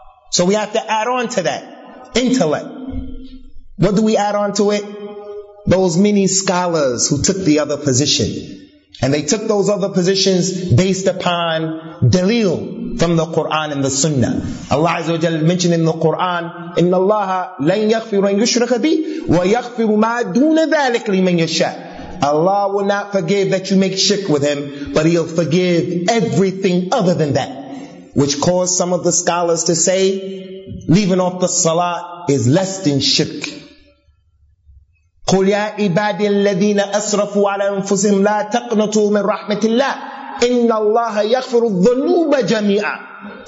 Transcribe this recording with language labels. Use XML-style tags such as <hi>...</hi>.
<en>So we have to add on to that intellect. What do we add on to it? Those many scholars who took the other position. And they took those other positions based upon dalil from the Quran and the Sunnah.</en> <ar>Allah Azza wa Jalla</ar> <en>mentioned in the Quran,</en> <ar>إِنَّ اللَّهَ لَنْ يَغْفِرُ أَنْ يُشْرَكَ بِي وَيَغْفِرُ مَا دُونَ ذَلِكَ لِمَنْ يَشَاءُ.</ar> <en>Allah will not forgive that you make shirk with him, but he'll forgive everything other than that. which caused some of the scholars to say, leaving off the salah is less than shirk.</en> <ar>قُلْ يَا عِبَادِ الَّذِينَ أَسْرَفُوا عَلَى أَنفُسِهِمْ لَا تَقْنَطُوا مِنْ رَحْمَةِ اللَّهِ إِنَّ اللَّهَ يَغْفِرُ الذُّنُوبَ جَمِيعًا.</ar>